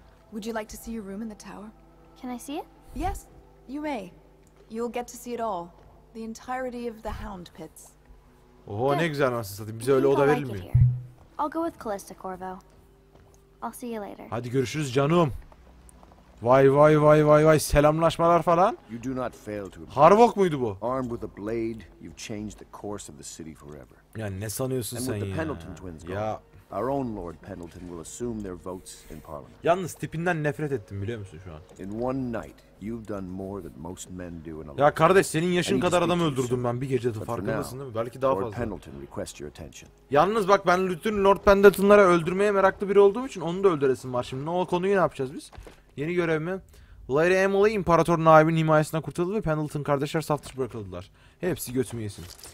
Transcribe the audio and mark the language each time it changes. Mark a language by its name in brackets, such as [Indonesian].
[English] Would you like to see your room in the tower? Can I see it? Yes, you may. You'll get to see it all. The entirety of the hound pits. [Turkish] Oho ne güzel anasını satayım. Bize öyle oda verilmiyor. [English] I'll go with Callista Corvo. I'll see you later. [Turkish] Hadi görüşürüz canım. Vay. Selamlaşmalar falan. [English] You do not fail to. [Turkish] Harvok muydu bu? [English] Armed with a blade, you've changed the course of the city forever. [Turkish] Ya ne sanıyorsun [English] and [Turkish] sen [English] with [Turkish] ya? [English] The Pendleton twins gone, ya. Our own Lord Pendleton will assume their votes in Parliament. [Turkish] Yalnız tipinden nefret ettim biliyor musun şu an? [English] In one night, you've done more than most men do in a [Turkish] life. Ya kardeş senin yaşın kadar adam öldürdüm ben bir gecede farkındasın değil mi? Belki daha fazla. [English] Lord Pendleton request your attention. [Turkish] Yalnız bak ben bütün Lord Pendleton'lara öldürmeye meraklı biri olduğum için onu da öldüresim var şimdi. Ne o konuyu ne yapacağız biz? Yeni görev mi? Lady Emily İmparator Naib'in himayesine kurtuldu ve Pendleton kardeşler saf dışı bırakıldılar. Hepsi götümü yesin.